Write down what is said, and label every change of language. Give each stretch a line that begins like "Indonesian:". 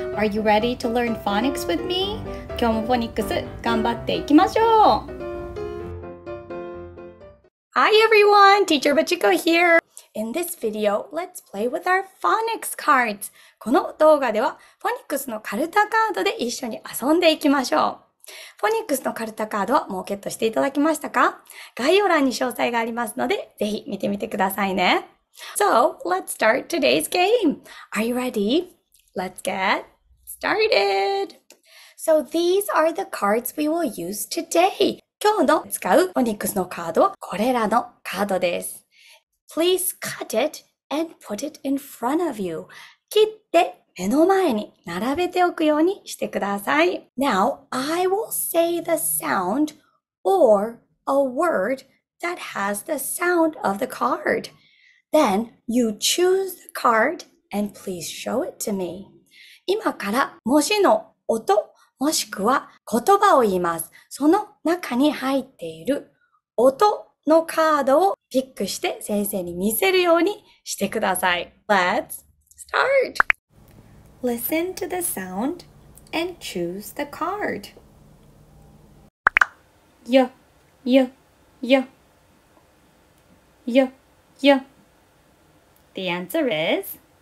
English: Are you ready to learn Phonics with me?
Japanese: 今日もフォニックス頑張っていきましょう。
English: Hi everyone, Teacher Machiko here. In this video, let's play with our Phonics cards.
Japanese: この動画ではフォニックスのかるたカードで一緒に遊んでいきましょう。フォニックスのかるたカードはもうゲットしていただきましたか？概要欄に詳細がありますので、ぜひ見てみてくださいね。
English: So, let's start today's game. Are you ready? Let's get started. So, these are the cards we will use today.
Japanese: 今日の使うフォニックスのカードはこれらのカードです。
English: Please cut it and put it in front of you.
Japanese: 切って目の前に並べておくようにしてください。
English: Now, I will say the sound or a word that has the sound of the card. Then you choose the card and please show it to me.
Japanese: 今から文字の音もしくは言葉を言います。その中に入っている音のカードをピックして先生に見せるようにしてください。
English: Let's start! Listen to the sound and choose the card. Yo, yo, yo. Yo, yo. The answer is